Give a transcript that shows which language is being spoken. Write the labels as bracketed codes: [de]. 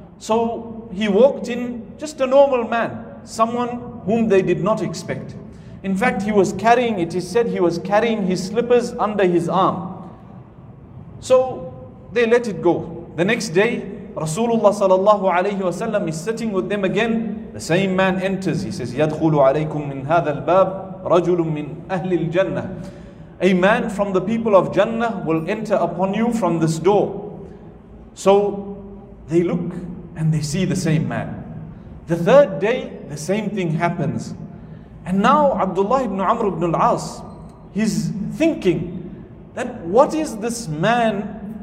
[en] So he walked in, just a normal man, someone whom they did not expect. In fact, he was carrying, it is said he was carrying his slippers under his arm. So they let it go. The next day, Rasulullah sallallahu alayhi wasallam is sitting with them again. The same man enters. He says, [ar] يَدْخُلُ عَلَيْكُمْ مِنْ هَذَا الْبَابِ رَجُلٌ مِنْ أَهْلِ الْجَنَّةِ. [en] A man from the people of Jannah will enter upon you from this door. So they look and they see the same man. The third day, the same thing happens. And now Abdullah ibn Amr ibn al-As, he's thinking that what is this man?